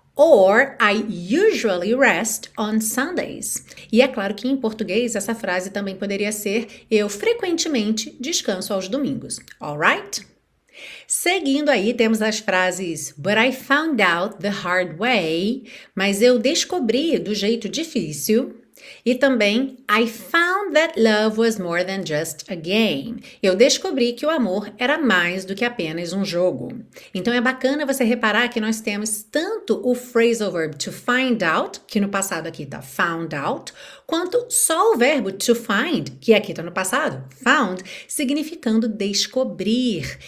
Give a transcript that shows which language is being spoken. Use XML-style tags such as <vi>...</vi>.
<en>Or I usually rest on Sundays.</en> <pt>E é claro que em português essa frase também poderia ser: eu frequentemente descanso aos domingos. All right? Seguindo aí, temos as frases</pt> <en>But I found out the hard way,</en> <pt>mas eu descobri do jeito difícil. E também</pt> <en>I found that love was more than just a game.</en> <pt>Eu descobri que o amor era mais do que apenas um jogo. Então é bacana você reparar que nós temos tanto o phrasal verb to find out, que no passado aqui está found out, quanto só o verbo to find, que aqui está no passado, found, significando descobrir.</pt>